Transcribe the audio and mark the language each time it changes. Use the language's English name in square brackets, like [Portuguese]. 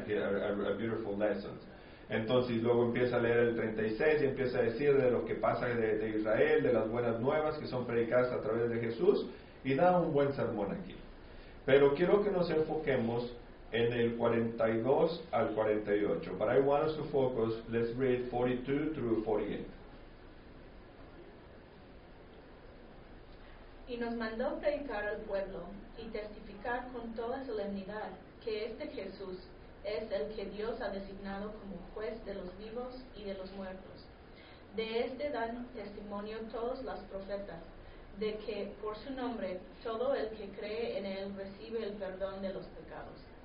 [English] A beautiful lesson. [Spanish] Entonces luego empieza a leer el 36 y empieza a decir de lo que pasa de Israel, de las buenas nuevas que son predicadas a través de Jesús, y da un buen sermón aquí. Pero quiero que nos enfoquemos en el 42 al 48. [English] But I want us to focus, let's read 42 through 48. [Spanish] Y nos mandó predicar al pueblo y testificar con toda solemnidad que este Jesús es el que Dios ha designado como juez de los vivos y de los muertos. De este dan testimonio todos los profetas, de que por su nombre todo el que cree en él recibe el perdón de los pecados.